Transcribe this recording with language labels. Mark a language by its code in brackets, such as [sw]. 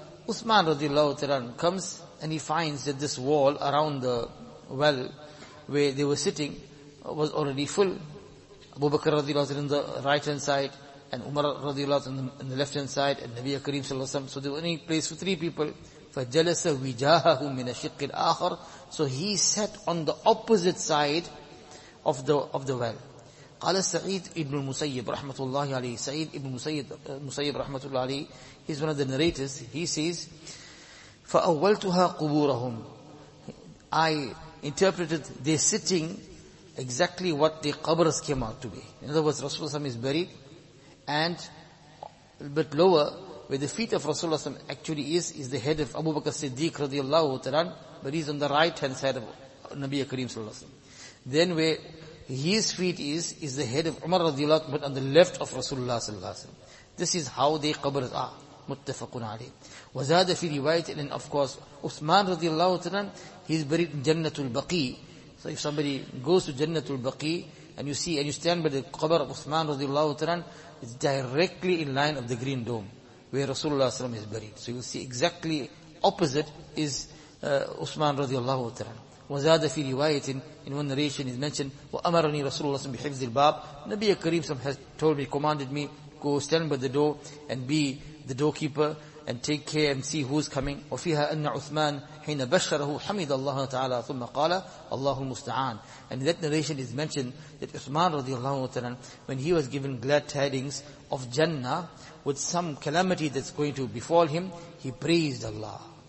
[en] Uthman رضي الله تعالى comes and he finds that this wall around the well where they were sitting was already full. Abu Bakr رضي الله تعالى in the right hand side and Umar رضي الله تعالى in the left hand side and Nabiya Kareem صلى الله عليه وسلم. So there were any place for three people. [ar] فجلس وجاهه من الشق الآخر. [en] So he sat on the opposite side of the well. [ar] قال سعيد ابن المسيب رحمة الله عليه. سعيد ابن المسيب رحمة الله عليه. [en] He's one of the narrators. He says, [ar] فأولتها قبورهم. [en] I interpreted their sitting exactly what the qabrs came out to be. In other words, Rasulullah is buried and a bit lower where the feet of Rasulullah actually is the head of Abu Bakr Siddiq radiallahu ta'ala, but he's on the right hand side of Nabi Kareem sallallahu alayhi wa sallam. Then where his feet is the head of Umar radiallahu ta'ala, but on the left of Rasulullah sallallahu alayhi wa sallam. This is how the qabrs are. Muttafaqun alayhi. [ar] Wazada fi riwayat. [en] And of course, Uthman radiallahu ta'ala, he's buried in Jannatul Baqi. So if somebody goes to Jannatul Baqi, and you see, and you stand by the qabr of Uthman radiallahu ta'ala, it's directly in line of the green dome, where Rasulullah sallallahu alayhi wa sallam is buried. So you'll see exactly opposite is Uthman radiallahu ta'ala. [ar] وَزَادَ فِي رِوَايَةٍ. [en] In one narration is mentioned, [ar] وَأَمَرَنِي رَسُولُ اللَّهِ صَلَّى اللَّهُ عَلَيْهِ وَسَلَّمَ بِحِفْظِ الْبَابِ. [en] Nabiya Kareem has told me, commanded me, go stand by the door and be the doorkeeper and take care and see who's coming. [ar] وَفِيهَا أَنَّ عُثْمَانَ حِينَ بَشَّرَهُ حَمِدَ اللَّهَ تَعَالَى ثُمَّ قَالَ اللَّهُ الْمُسْتَعَانَ. [en] And in that narration is mentioned that Uthman radiallahu ta'ala, when he was given glad tidings of Jannah with some calamity that's going to befall him, he praised Allah.